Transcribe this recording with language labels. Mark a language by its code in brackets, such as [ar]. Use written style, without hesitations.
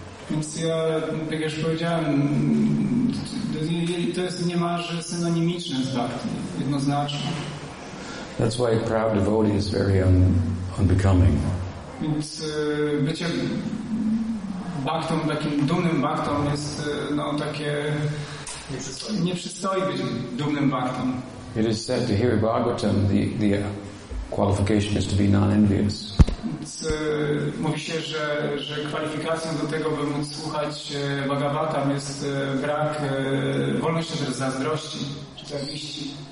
[pl] Więc ja, jak już powiedziałem, to jest niemalże synonimiczne z bhakti, jednoznacznie. [en] That's why a proud devotee is very unbecoming. [pl] Więc bycie baktą, takim dumnym baktą jest takie... Nie przystoi być dumnym baktą. [en] It is said to hear Bhagavatam, the qualification is to be non-envious. [pl] Więc mówi się, że kwalifikacją do tego, by móc słuchać Bhagavatam, jest brak wolności od zazdrości czy zawiści.